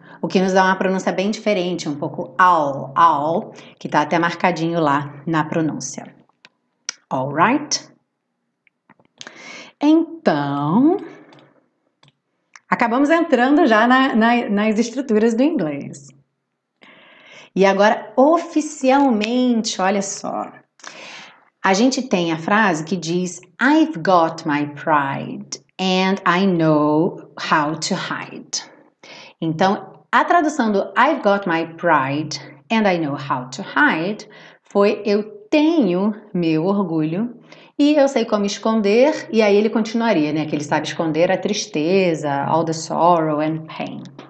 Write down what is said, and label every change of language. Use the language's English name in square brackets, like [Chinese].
[Portuguese] O que nos dá uma pronúncia bem diferente, um pouco all, que tá até marcadinho lá na pronúncia. [English] All right? [Portuguese] Então, acabamos entrando já nas estruturas do inglês. E agora, oficialmente, olha só. A gente tem a frase que diz: [English] I've got my pride and I know how to hide. [Portuguese] Então, a tradução do [English] I've got my pride and I know how to hide [Portuguese] foi: eu tenho meu orgulho e eu sei como esconder. E aí ele continuaria, né? Que ele sabe esconder a tristeza, [English] all the sorrow and pain.